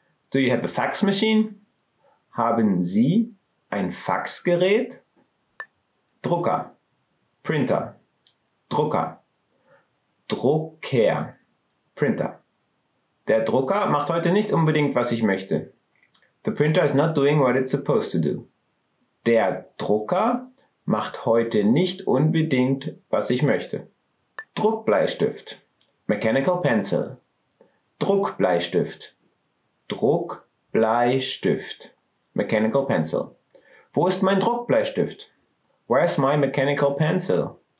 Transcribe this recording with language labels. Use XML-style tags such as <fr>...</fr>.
<en>Do you have a fax machine?</en> <de>Haben Sie ein Faxgerät?</de> <en>Drucker. Printer. Drucker.</en> <de>Drucker. Printer. Der Drucker macht heute nicht unbedingt, was ich möchte.</de> <en>The printer is not doing what it's supposed to do.</en> <de>Der Drucker macht heute nicht unbedingt, was ich möchte. Druckbleistift. Mechanical pencil. Druckbleistift. Druckbleistift. Mechanical pencil. Wo ist mein Druckbleistift?</de> <en>Where's my mechanical pencil?</en>